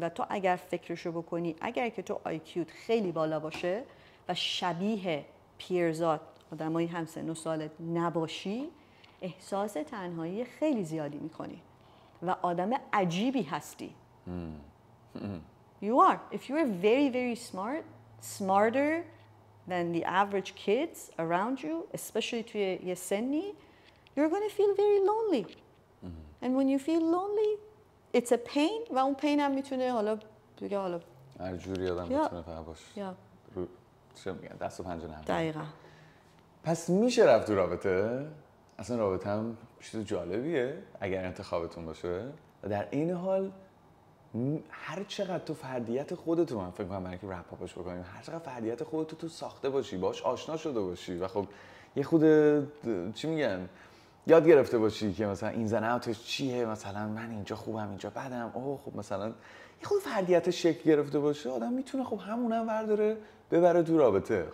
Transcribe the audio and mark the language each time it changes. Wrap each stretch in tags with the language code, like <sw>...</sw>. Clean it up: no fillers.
<fa>و تو اگر فکرشو بکنی، اگر که تو آیکیوت خیلی بالا باشه و شبیه پیرزات آدم های همسن و سالت نباشی، احساس تنهایی خیلی زیادی میکنی و آدم عجیبی هستی.</fa> <en>You are. If you are very, very smart, smarter than the average kids around you, especially</en> <fa>توی یه سنی,</fa> <en>you're going to feel very lonely. And when you feel lonely, it's a pain.</en> <fa>و اون پین هم میتونه حالا بگه حالا هر جوری آدم میتونه فقط باشه. چه میگن؟ دست و پنجه نرم. دقیقا. پس میشه رفت تو رابطه؟ اصلا رابطه هم چیز جالبیه اگر انتخابتون باشه. و در این حال هر چقدر تو فردیت خودتو، من فکر کنم برای اینکه رپ اپش بکنیم، هر چقدر فردیت خودتو تو ساخته باشی، باش آشنا شده باشی و خب یه خود چی میگن یاد گرفته باشی که مثلا این زن اوتش چیه، مثلا من اینجا خوبم اینجا بدم، اوه خب مثلا یه خود فردیت شکل گرفته باشه، آدم میتونه خب همونم ورداره ببره تو رابطه.</fa>